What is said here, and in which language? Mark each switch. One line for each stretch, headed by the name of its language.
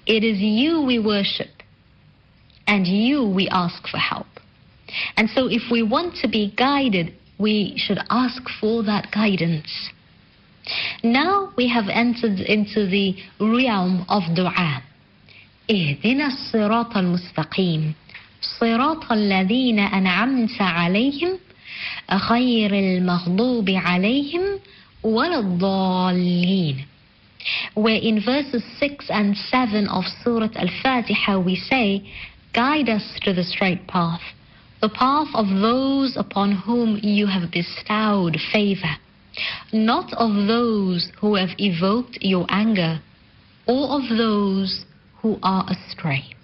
English: It is you we worship, and you we ask for help. And so if we want to be guided, we should ask for that guidance. Now we have entered into the realm of dua.
Arabic: اهدنا الصراط المستقيم صراط الذين أنعمت عليهم غير المغضوب عليهم ولا الضالين.
English: Where in verses 6 and 7 of Surah Al-Fatiha we say, guide us to the straight path, the path of those upon whom you have bestowed favor, not of those who have evoked your anger, or of those who are astray.